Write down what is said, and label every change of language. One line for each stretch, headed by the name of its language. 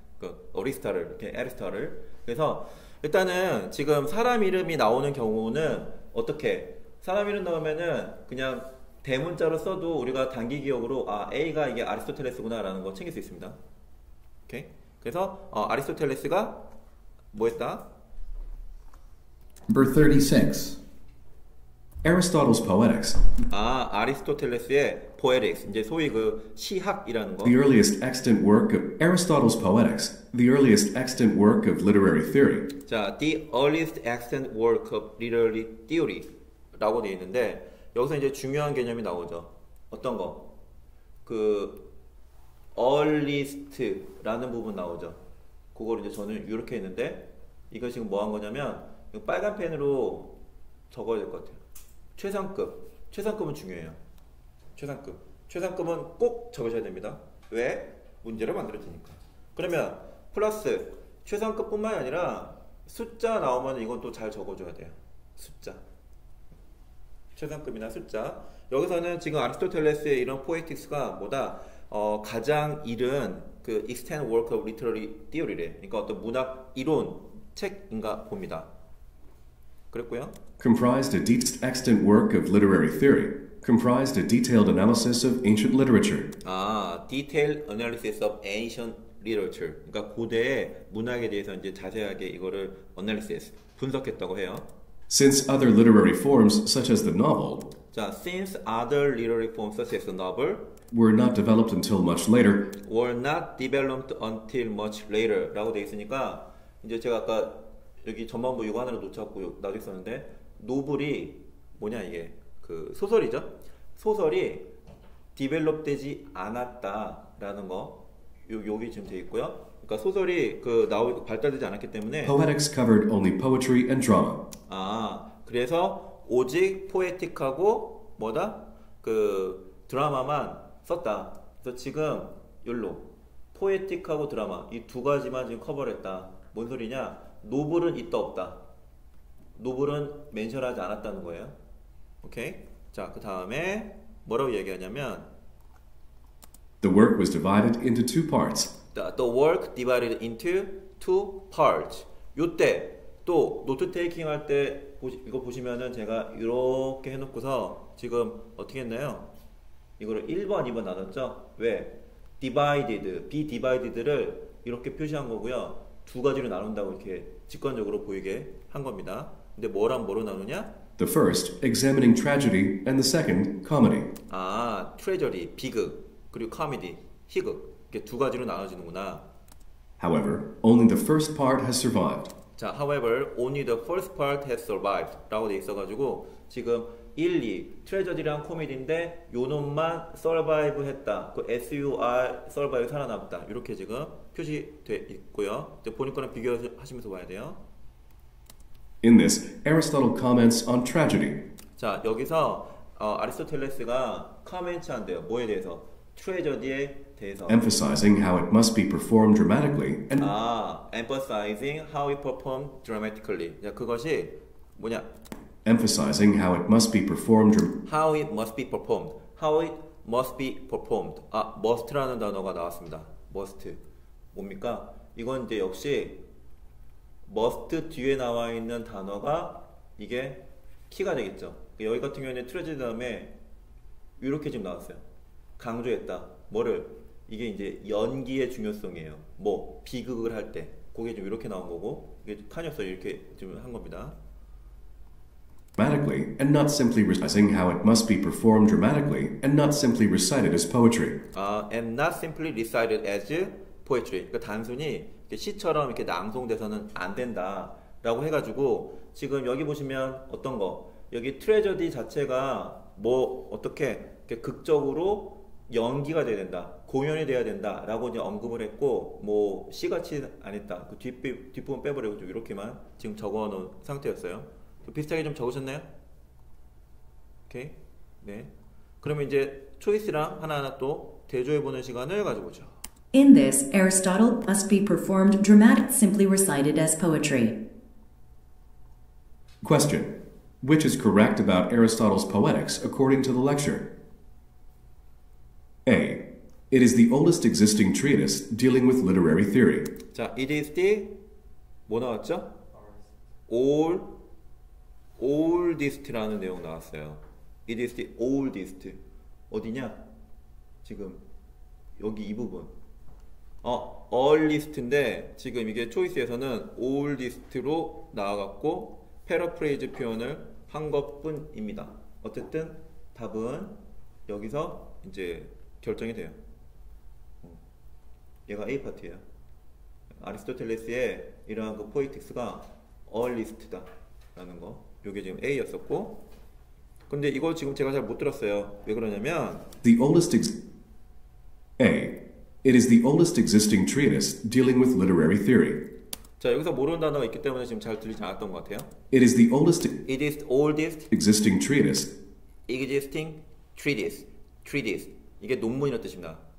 Korean: 그 Aristotle 이렇게 Aristotle. 그래서 일단은 지금 사람 이름이 나오는 경우는 어떻게 사람 이름 나오면은 그냥 대문자로 써도 우리가 단기 기억으로 아 A가 이게 아리스토텔레스구나라는 거 챙길 수 있습니다. 오케이. 그래서 아리스토텔레스가 뭐했다?
English: Number 36. Aristotle's Poetics.
Korean: 아, 아리스토텔레스의 Poetics. 이제 소위 그 시학이라는 거.
English: The earliest extant work of Aristotle's Poetics. The earliest extant work of literary theory.
Korean: 자,
English: the earliest extant work of literary theory
Korean: 라고 되어 있는데 여기서 이제 중요한 개념이 나오죠. 어떤 거? 그 earliest라는 부분 나오죠. 그걸 이제 저는 이렇게 했는데 이거 지금 뭐 한 거냐면 이거 빨간 펜으로 적어야 될 것 같아요. 최상급. 최상급은 중요해요. 최상급. 최상급은 꼭 적으셔야 됩니다. 왜? 문제를 만들어지니까. 그러면 플러스 최상급뿐만 아니라 숫자 나오면 이건 또 잘 적어줘야 돼요. 숫자. 최상급이나 숫자. 여기서는 지금 아리스토텔레스의 이런 포에틱스가 뭐다? 가장 이른 그
English: extant work of literary theory
Korean: 래. 그러니까 어떤 문학 이론 책인가 봅니다. 그랬고요.
English: Comprised a detailed extant work of literary theory. Comprised a detailed analysis of ancient literature. 아, detailed analysis of ancient literature.
Korean: 그러니까 고대 문학에 대해서 이제 자세하게 이거를 analysis 분석했다고 해요.
English: Since other literary forms such as the novel. 자, since other literary forms such as the novel were not developed until much later. Were not developed until much later
Korean: 라고 돼 있으니까 이제 제가 아까 여기 전반부 이거 하나를 놓쳤고 나도 있었는데 노블이 뭐냐 이게 그 소설이죠? 소설이 디벨롭되지 않았다라는 거 여기 지금 돼 있고요. 그러니까 소설이 그 발달되지 않았기 때문에
English: Poetics covered only poetry and drama.
Korean: 아, 그래서 오직 포에틱하고 뭐다? 그 드라마만 썼다. 그래서 지금 욜로 포에틱하고 드라마 이 두 가지만 지금 커버를 했다. 뭔 소리냐? 노블은 있다 없다. 노블은 멘션하지 않았다는 거예요. 오케이. 자, 그 다음에 뭐라고 얘기하냐면
English: The work was divided into two parts. The work divided into two parts.
Korean: 이때 또 노트 테이킹 할 때 이거 보시면은 제가 이렇게 해놓고서 지금 어떻게 했나요? 이거를 1번, 2번 나눴죠? 왜? Divided, be divided를 이렇게 표시한 거고요. 두 가지로 나눈다고 이렇게 직관적으로 보이게 한 겁니다. 근데 뭐랑 뭐로 나누냐?
English: The first, examining tragedy, and the second, comedy.
Korean: 아, tragedy, 비극, 그리고 comedy, 희극. 이렇게 두 가지로 나눠지는구나.
English: However, only the first part has survived. 자, however, only the first part has survived.
Korean: 라고 돼 있어가지고 지금 1, 2, 트레저리랑 코미디인데 요 놈만 서바이브 했다. 그 SUR 서바이브 살아남았다. 이렇게 지금 표시돼 있고요. 이제 보니까는 비교하시면서 봐야 돼요.
English: In this, Aristotle comments on tragedy.
Korean: 자, 여기서 아리스토텔레스가 comment 한대요. 뭐에 대해서? 트레저디에 대해서.
English: Emphasizing how it must be performed dramatically. And 아, emphasizing how it performed dramatically.
Korean: 자, 그것이 뭐냐?
English: Emphasizing how it must be performed. How it must be performed. How it must be performed.
Korean: 아, must라는 단어가 나왔습니다. Must. 뭡니까? 이건 이제 역시 must 뒤에 나와 있는 단어가 이게 키가 되겠죠. 여기 같은 경우에는 트레저디 다음에 이렇게 지금 나왔어요. 강조했다. 뭐를? 이게 이제 연기의 중요성이에요. 뭐 비극을 할 때 그게 좀 이렇게 나온 거고 이게 칸이었어 이렇게 좀 한 겁니다.
English: Dramatically and not simply reciting how it must be performed dramatically and not simply recited as poetry. And not simply recited as poetry.
Korean: 그러니까 단순히 시처럼 이렇게 낭송돼서는 안 된다라고 해가지고 지금 여기 보시면 어떤 거 여기 트레저디 자체가 뭐 어떻게 극적으로 연기가 돼야 된다, 공연이 돼야 된다라고 이제 언급을 했고 뭐 시같이 안 했다 그 뒷부분 빼버리고 좀 이렇게만 지금 적어놓은 상태였어요. 좀 비슷하게 좀 적으셨나요? 오케이 네. 그러면 이제 초이스랑 하나하나 또 대조해보는 시간을 가져보죠.
English: In this, Aristotle must be performed dramatic simply recited as poetry. Question. Which is correct about Aristotle's poetics according to the lecture? A. It is the oldest existing treatise dealing with literary theory.
Korean: 자,
English: it is the
Korean: 뭐 나왔죠? Oldest라는 내용 나왔어요.
English: It is the oldest.
Korean: 어디냐? 지금 여기 이 부분. Earliest인데 지금 이게 초이스에서는 oldest로 나와갖고 paraphrase 표현을 한 것뿐입니다. 어쨌든 답은 여기서 이제 결정이 돼요. 얘가 A 파트예요. 아리스토텔레스의 이러한 그 포에틱스가 earliest다라는 거. 이게 지금 A였었고. 근데 이걸 지금 제가 잘 못 들었어요. 왜 그러냐면
English: The oldest A. It is the oldest existing treatise dealing with literary theory. 자, 여기서 모르는 단어가 있기 때문에 지금 잘 들리지 않았던 것 같아요. It is the oldest It is oldest existing treatise. Existing treatise. Treatise.
Korean: 이게 논문이란 뜻입니다.